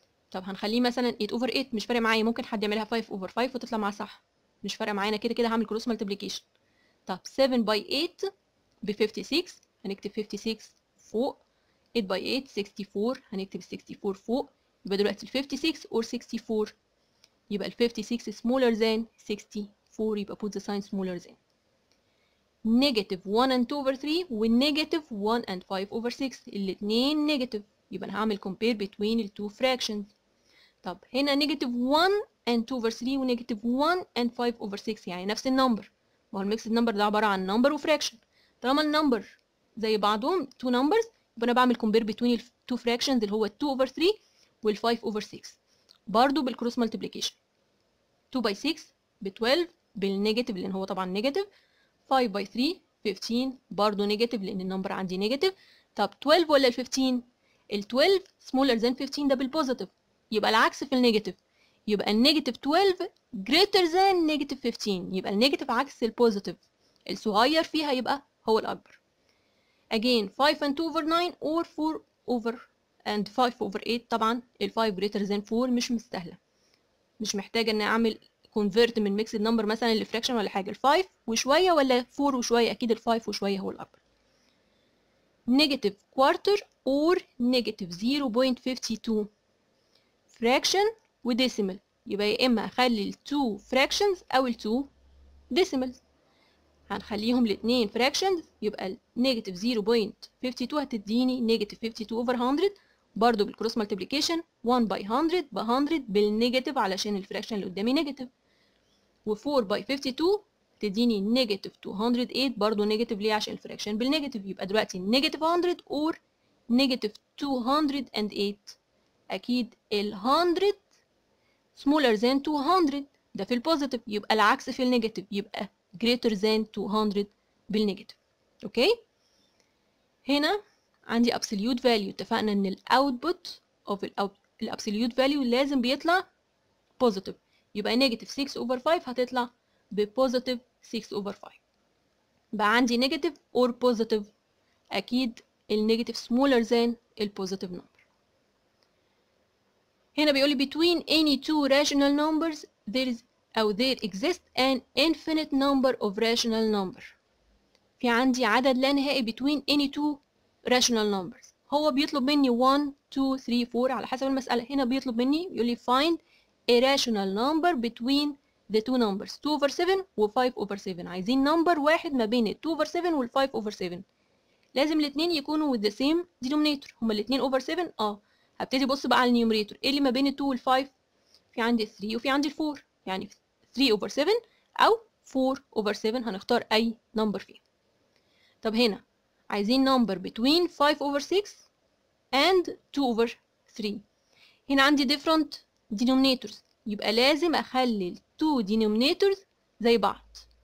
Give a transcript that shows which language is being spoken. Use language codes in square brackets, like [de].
[ar] طب هنخليه مثلا 8 over 8 مش فارق معايا. ممكن حد يعملها 5 over 5 وتطلع مع صح. مش فارق معايا كده كده هعمل cross multiplication. طب 7 by 8 ب 56 هنكتب 56 فوق. 8 by 8 64 هنكتب 64 فوق. يبقى دلوقتي 56 or 64. يبقى [en] 56 smaller than 64. يبقى put the sign smaller than. Negative 1 and 2 over 3 و negative 1 and 5 over 6. [ar] الاثنين negative. يبقى انا هعمل [en] compare between the two fractions. [ar] طب هنا [en] negative 1 and 2 over 3 و negative 1 and 5 over 6. [ar] يعني نفس النمبر. ما هو المكسد نمبر ده عبارة عن number و fraction. طالما النمبر زي بعضهم two numbers. يبقى انا بعمل [en] compare between the two fractions [ar] اللي هو [en] 2 over 3 وال 5 over 6. [ar] برضو بالcross multiplication. 2 by 6 ب 12 بالnegative اللي هو طبعا negative. 5 by 3 15 برضو negative لأن النمبر عندي negative. طب 12 ولا 15؟ ال 12 [en] smaller than 15 [ar] ده بالpositive. يبقى العكس في النegative. يبقى [en] النegative 12 greater than negative 15. [ar] يبقى النegative عكس الpositive. الصغير فيها يبقى هو الأكبر. [en] Again 5 and 2 over 9 or 4 over and 5 over 8. [ar] طبعا ال 5 greater than 4 مش مستهلة. مش محتاجة أن أعمل convert من mixed number مثلا لفراكشن ولا حاجة. 5 وشوية ولا 4 وشوية؟ أكيد 5 وشوية هو الأكبر. [en] Negative quarter or negative 0.52 fraction و decimal. [ar] يبقى يا إما أخلي ال 2 fractions أو ال 2 decimals. هنخليهم الاثنين fractions. [en] يبقى negative 0.52 هتديني negative 52 over 100 برضو بالcross multiplication. [ar] 1 by 100 by 100 بالنيجاتيف علشان الفراكشن اللي قدامي نيجاتيف. و 4 by 52 تديني negative 208 برضو negative. ليه؟ عشان الفراكشن بالنيجاتيف. يبقى دلوقتي [en] negative 100 or negative 208. [ar] أكيد ال 100 [en] smaller than 200 [ar] ده في البوزيتيف، يبقى العكس في النيجاتيف، يبقى [en] greater than 200 [ar] بالنيجاتيف. اوكي، هنا عندي absolute value، اتفقنا ان الاوتبوت اوف الابسولوت فاليو لازم بيطلع بوزيتيف، يبقى نيجاتيف 6 اوفر 5 هتطلع ببوزيتيف 6 اوفر 5. بقى عندي نيجاتيف اور بوزيتيف، اكيد النيجاتيف سمولر ذان البوزيتيف نمبر. [en] هنا بيقول لي between any two rational numbers there is او there exist an infinite number of rational number، [ar] في عندي عدد لا نهائي [en] between any two rational numbers. [ar] هو بيطلب مني 1 2 3 4 على حسب المساله. هنا بيطلب مني يقول لي [en] find a rational number between the two numbers [ar] 2 over 7 و 5 over 7، عايزين نمبر واحد ما بين 2 over 7 وال 5 over 7، لازم الاثنين يكونوا [en] with the same denominator. [ar] هما الاثنين over 7، هبتدي بص بقى على النيوميريتور، ايه اللي ما بين 2 وال 5؟ في عندي 3 وفي عندي 4، يعني 3 over 7 او 4 over 7، هنختار اي نمبر فيه. طب هنا عايزين [en] number between 5 over 6 and 2 over 3، [ar] هنا عندي different denominators، يبقى لازم اخلي 2 denominators زي بعض.